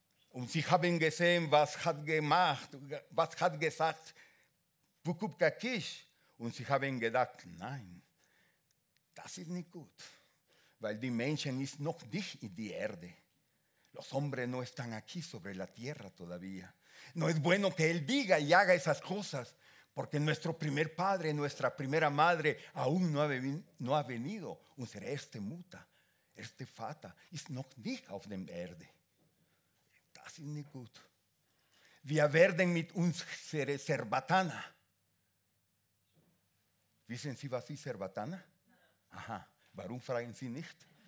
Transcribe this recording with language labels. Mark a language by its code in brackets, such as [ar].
[de] Und sie haben gesehen, was hat gemacht, was hat gesagt, Wukukakish. Und sie haben gedacht, nein. Das ist nicht gut, weil die Menschen ist noch nicht in die Erde. [es] Los hombres no están aquí sobre la tierra todavía. No es bueno que él diga y haga esas cosas, porque nuestro primer padre, nuestra primera madre, aún no ha venido. [de] Und [es] será este muta, este fata, [de] ist noch nicht auf dem Erde. Das ist nicht gut. Wir werden mit unserer Cerbatana. Wissen Sie, was ist Cerbatana? Aha, warum fragen Sie nicht?